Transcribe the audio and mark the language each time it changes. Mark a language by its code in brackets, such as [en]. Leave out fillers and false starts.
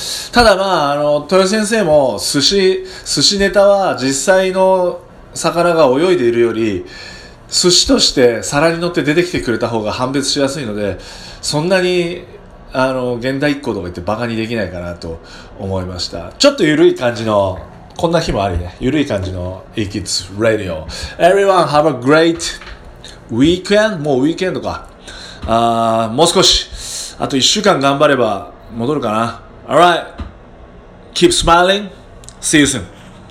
[ja] ただまあ、豊先生も寿司ネタは実際の魚が泳いでいるより、寿司として皿に乗って出てきてくれた方が判別しやすいので、そんなに、現代っ子とか言ってバカにできないかなと思いました。ちょっと緩い感じの、こんな日もありね。緩い感じの E-Kids Radio。 [en] Everyone have a great weekend? [ja] もうウィークエンドか。もう少し。あと一週間頑張れば戻るかな。 [en] Alright. Keep smiling. See you soon.